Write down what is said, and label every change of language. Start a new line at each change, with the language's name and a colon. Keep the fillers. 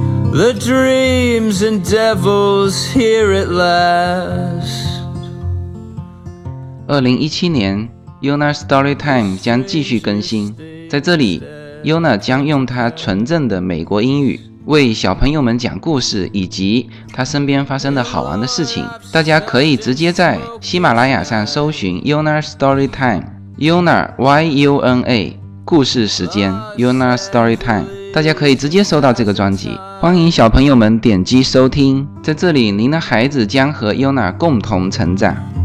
English: The dreams and devils here at last.
Chinese: 二零一七年，Una Story Time 将继续更新。在这里，Una 将用她纯正的美国英语为小朋友们讲故事，以及她身边发生的好玩的事情。大家可以直接在喜马拉雅上搜寻 Una Story Time，Una Y U N A 故事时间，Una Story Time。大家可以直接搜到这个专辑，欢迎小朋友们点击收听。在这里，您的孩子将和 Una 共同成长。